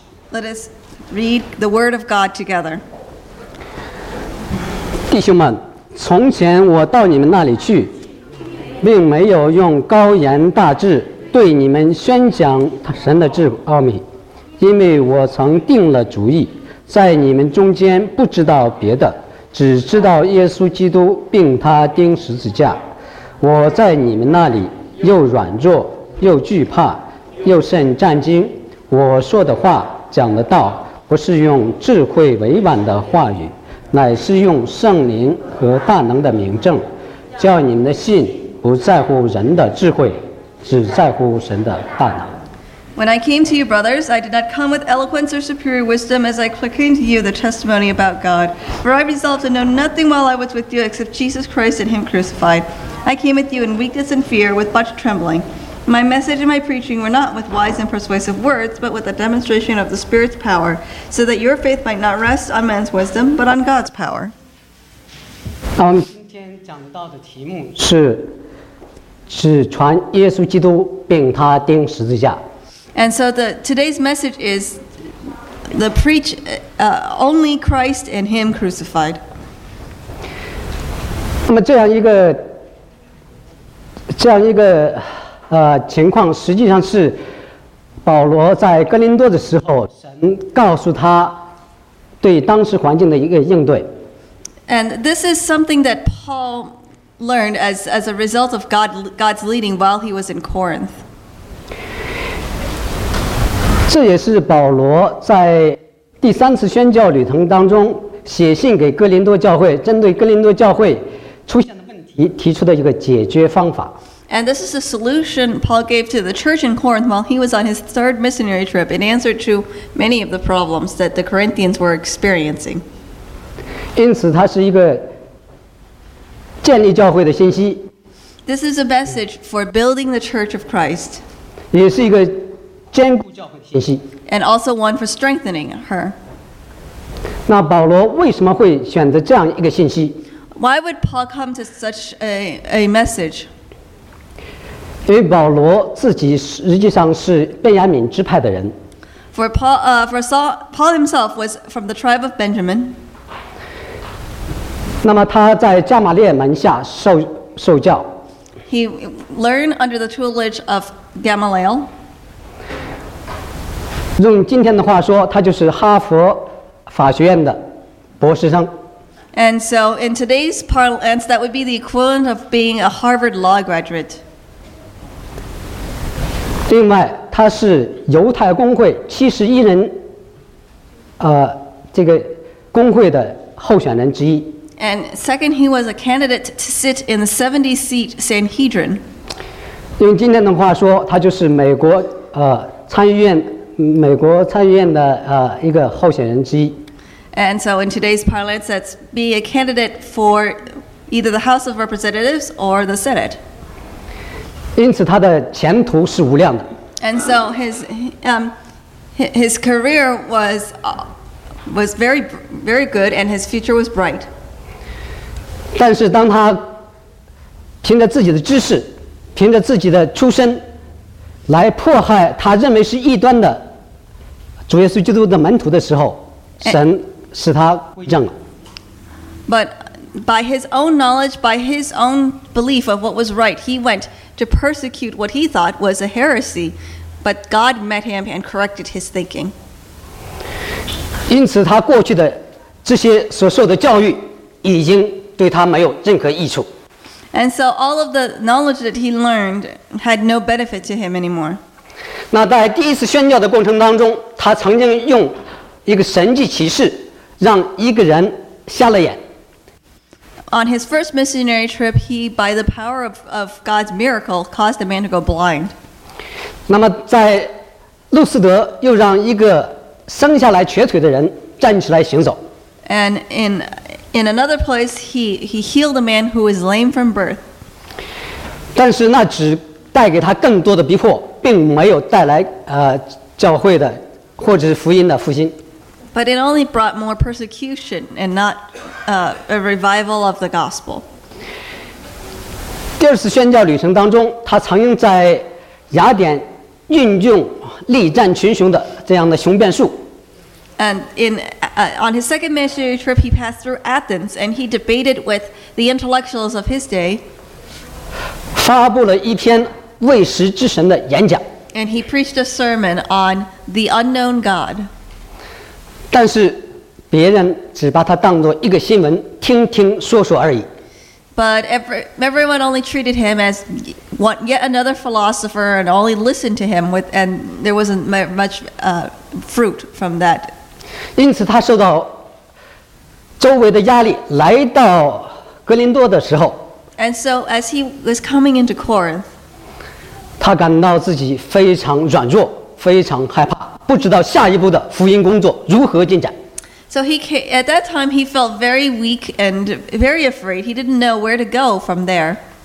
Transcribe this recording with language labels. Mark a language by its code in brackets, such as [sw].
[en] Let us read the word of God together. [zh] 弟兄们，从前我到你们那里去，并没有用高言大志对你们宣讲神的智奥秘，因为我曾定了主意，在你们中间不知道别的，只知道耶稣基督并他钉十字架。我在你们那里又软弱又惧怕又甚战惊，我说的话讲的道，不是用智慧委婉的话语，乃是用圣灵和大能的名证，叫你们的信不在乎人的智慧，只在乎神的大能。 [en] When I came to you, brothers, I did not come with eloquence or superior wisdom as I proclaimed to you the testimony about God. For I resolved to know nothing while I was with you except Jesus Christ and Him crucified. I came with you in weakness and fear, with much trembling. My message and my preaching were not with wise and persuasive words, but with a demonstration of the Spirit's power, so that your faith might not rest on man's wisdom, but on God's power. [zh] 那我们今天讲到的题目是只传耶稣基督并他钉十字架。 [en] And so today's message is the preach only Christ and Him crucified. [zh] 那么这样一个情况实际上是保罗在哥林多的时候神告诉他对当时环境的一个应对。 [en] And this is something that Paul learned as a result of God's leading while he was in Corinth. [zh] 这也是保罗在第三次宣教旅程当中写信给哥林多教会，针对哥林多教会出现的问题提出的一个解决方法。 [en] And this is a solution Paul gave to the church in Corinth while he was on his third missionary trip in answer to many of the problems that the Corinthians were experiencing. [zh] 因此它是一个建立教会的信息。 [en] This is a message for building the church of Christ. [zh] 也是一个坚固教会的信息。 [en] And also one for strengthening her. [zh] 那保罗为什么会选择这样一个信息？ [en] Why would Paul come to such a message? [zh] 因为保罗自己实际上是便雅悯支派的人。 [en] For Paul himself was from the tribe of Benjamin. [zh] 那么他在加马列门下受教。 [en] He learned under the tutelage of Gamaliel. [zh] 用今天的话说，他就是哈佛法学院的博士生。 [en] And so in today's parlance, that would be the equivalent of being a Harvard law graduate. [zh] 另外，他是犹太公会71人，这个公会的候选人之一。 [en] And second, he was a candidate to sit in the 70-seat Sanhedrin. [zh] 用今天的话说，他就是美国参议院的一个候选人之一。 [en] And so in today's parlance, that's be a candidate for either the House of Representatives or the Senate. [zh] 因此他的前途是无量的。 [en] And so his career was very, very good, and his future was bright. [zh] 但是当他凭着自己的知识，凭着自己的出身，来迫害他认为是异端的主耶稣基督的门徒的时候，神使他归正了。 [en] But by his own knowledge, by his own belief of what was right, he went. To persecute what he thought was a heresy, but God met him and corrected his thinking. [zh] 因此他过去的这些所受的教育已经对他没有任何益处。 [en] And so all of the knowledge that he learned had no benefit to him anymore. [zh] 那在第一次宣教的过程当中，他曾经用一个神迹奇事让一个人瞎了眼。 [en] On his first missionary trip, he, by the power of God's miracle, caused a man to go blind. [zh] 那么在路斯德又让一个生下来瘸腿的人站起来行走。 [en] And in another place, he healed a man who was lame from birth. [zh] 但是那只带给他更多的逼迫，并没有带来教会的或者是福音的复兴。 [en] But it only brought more persecution and not a revival of the gospel. [zh] 第二次宣教旅程当中，他曾经在雅典运用力战群雄的这样的雄辩术。 [en] And on his second missionary trip, he passed through Athens, and he debated with the intellectuals of his day. [zh] 发布了一篇未识之神的演讲。 [en] And he preached a sermon on the unknown God. [zh] 但是别人只把他当作一个新闻，听听说说而已。 [en] But everyone only treated him as yet another philosopher, and only listened to him with, and there wasn't much fruit from that. [zh] 因此，他受到周围的压力，来到哥林多的时候。 [en] And so, as he was coming into Corinth, [zh] 他感到自己非常软弱，非常害怕，不知道下一步的福音工作如何进展。 [en] So he came, at that time he felt very weak and very afraid. He didn't know where to go from there.